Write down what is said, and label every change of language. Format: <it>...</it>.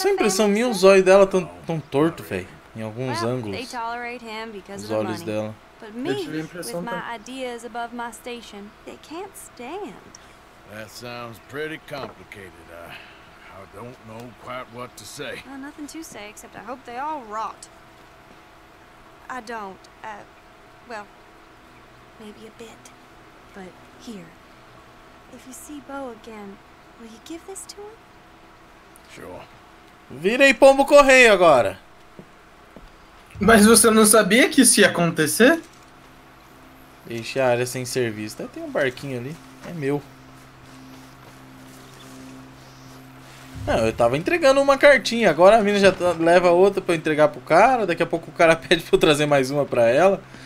<pt>Sempre são mil, os olhos dela tão torto, velho, em alguns ângulos.</pt> <en>They tolerate him because</en> <pt>os olhos</pt> <en>of the money.</en> <pt>Dela.</pt> <en>But me, with my ideas above my station, they can't stand. That sounds pretty complicated. I don't know quite what to say. Well, nothing to say, except I hope they all rot. I don't. Well, maybe a bit. But here, if you see Bo again, will you give this to him? Sure.</en> <pt>Virei pombo correio agora. Mas você não sabia que isso ia acontecer? Deixa a área sem serviço. Até tem um barquinho ali. É meu. Não, eu tava entregando uma cartinha. Agora a mina já leva outra pra eu entregar pro cara. Daqui a pouco o cara pede pra eu trazer mais uma pra ela.</pt>